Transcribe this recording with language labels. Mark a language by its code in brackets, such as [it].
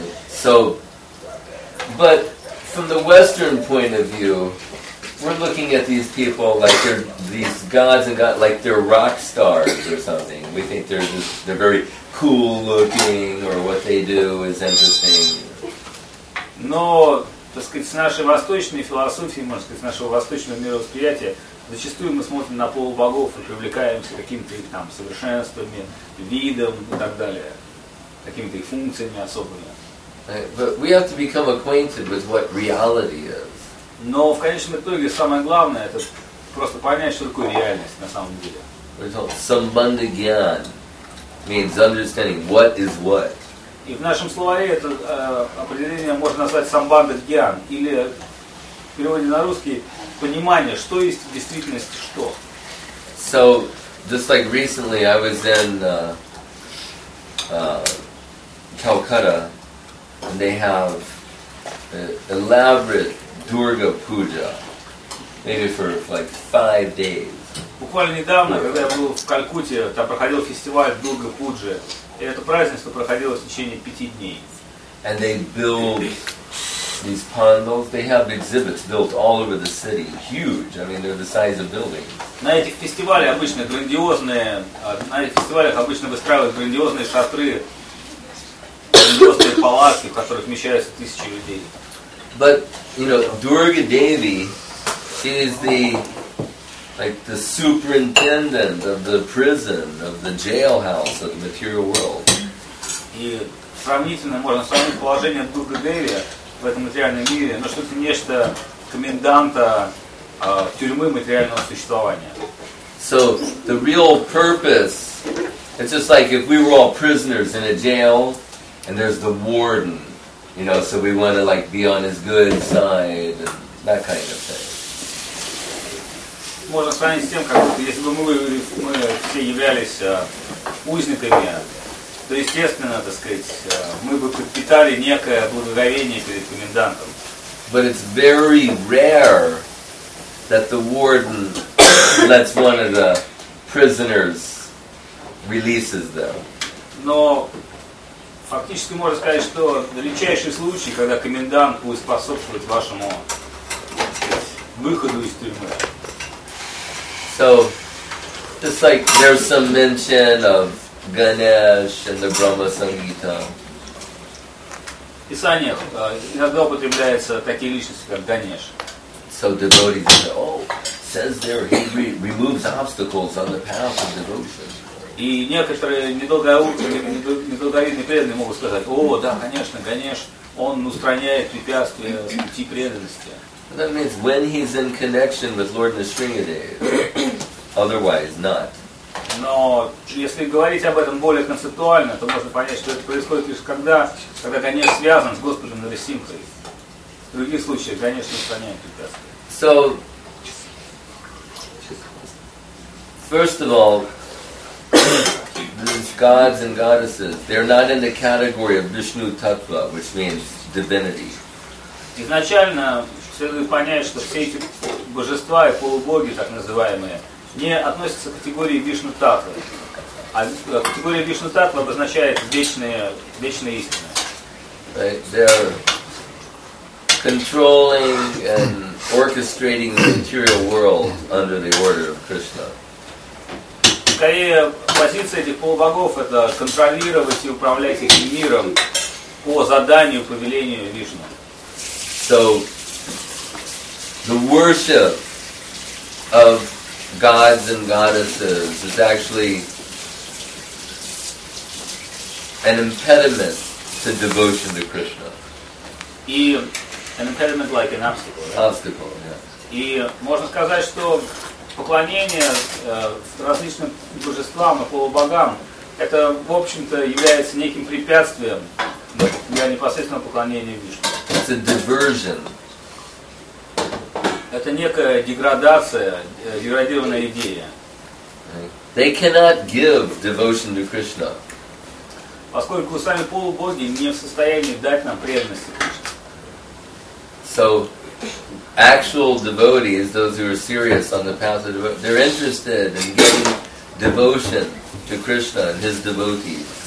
[en] So, but from the Western point of view, we're looking at these people like they're these gods and god, like they're rock stars or something. We think they're just, they're very cool looking, or what they do is interesting. [ru] Но, так сказать, с нашей восточной философии, можно сказать, с нашего восточного мировосприятия, Зачастую мы смотрим на полубогов и привлекаемся каким-то их там совершенствами, видом и так далее, какими-то их функциями особыми. [en] But we have to become acquainted with what reality is. [ru] Но в конечном итоге самое главное это просто понять, что такое реальность на самом деле. [en] Sambandha gyan means understanding what is what. [ru] И в нашем словаре это определение можно назвать самбанда гьян, или в переводе на русский понимание, что есть в действительности что. [en] So just like recently I was in Calcutta. And they have elaborate Durga puja, maybe for like 5 days. [ru] Буквально недавно, когда я был в Калькутте, там проходил фестиваль Дурга Пуджи, и это празднество проходило в течение 5 дней. [en] And they build these pandals. They have exhibits built all over the city, huge. I mean, they're the size of buildings. [ru] На этих фестивалях обычно грандиозные, на этих фестивалях обычно выстраивают грандиозные шатры. Палатки, в которых вмещаются тысячи людей. [en] But you know, Durga Devi, she is the like the superintendent of the prison, of the jailhouse of the material world. [ru] И сравнительно можно сравнить положение Дурга Деви в этом материальном мире, но что-то нечто коменданта тюрьмы материального существования. [en] So the real purpose, it's just like if we were all prisoners in a jail. And there's the warden, you know, so we want to like be on his good side and that kind of thing. [ru] Можно сравнить с тем, как если бы мы все являлись узниками, то естественно, так сказать, мы бы питали некое благоговение перед комендантом. [en] But it's very rare that the warden lets one of the prisoners releases them. [ru] Но фактически можно сказать, что редчайший случай, когда комендант будет способствовать вашему выходу из тюрьмы. [en] So, just like there's some mention of Ganesh and the Brahma Sangita. [ru] В писаниях иногда употребляются такие личности, как Ганеш. [en] So devotees say, oh, says there he removes obstacles on the path of devotion. [ru] И некоторые недолговидные преданные могут сказать, о, да, конечно, Ганеш, он устраняет препятствия с пути преданности. [en] That means when he's in connection with Lord Nisringadeva, otherwise not. [ru] Но если говорить об этом более концептуально, то можно понять, что это происходит лишь когда Ганеш связан с Господом Нарисимхой. В других случаях Ганеш не устраняет препятствия. [en] So, first of all, these gods and goddesses, they're not in the category of Vishnu Tattva, which means divinity. [ru] Изначально следует понять, что все эти божества и полубоги, так называемые, не относятся к категории Вишну Таттвы. А категория Вишну Таттвы обозначает вечная истина. [en] They're controlling and orchestrating the material world under the order of Krishna. [ru] Скорее, позиция этих полубогов — это контролировать и управлять этим миром по заданию, по велению Вишну. [en] So, the worship of gods and goddesses is actually an impediment to devotion to Krishna. И an impediment like an obstacle. Right? Obstacle, yeah. [ru] И можно сказать, что поклонение различным божествам и полубогам, это, в общем-то, является неким препятствием для непосредственного поклонения Вишну. [en] It's a diversion. [ru] Это некая деградация, деградированная идея. [en] They cannot give devotion to Krishna. [ru] Поскольку сами полубоги не в состоянии дать нам преданности Кришне. [en] So, actual devotees, those who are serious on the path of devotion, they're interested in giving devotion to Krishna and his devotees.